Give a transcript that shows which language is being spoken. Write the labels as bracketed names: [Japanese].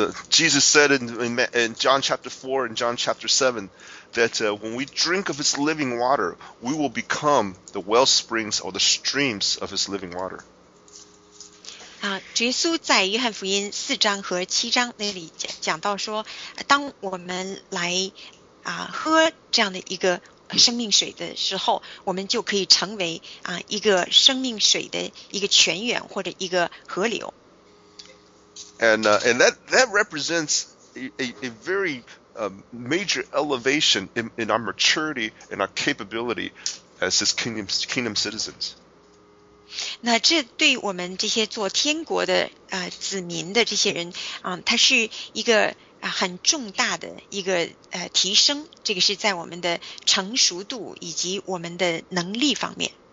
[English] Jesus said in John chapter 4 and John chapter 7 that when we drink of his living water, we will become the wellsprings or the streams of his living water. [Chinese] 主耶稣在约翰福音四章和七章那里讲到说，当我们来喝这样的一个生命水的时候，我们就可以成为一个生命水的一个泉源或者一个河流。 [English] And that represents a very major elevation in our maturity and our capability as his kingdom citizens. [Chinese] 那这对我们这些做天国的子民的这些人它是一个很重大的一个提升，这个是在我们的成熟度以及我们的能力方面。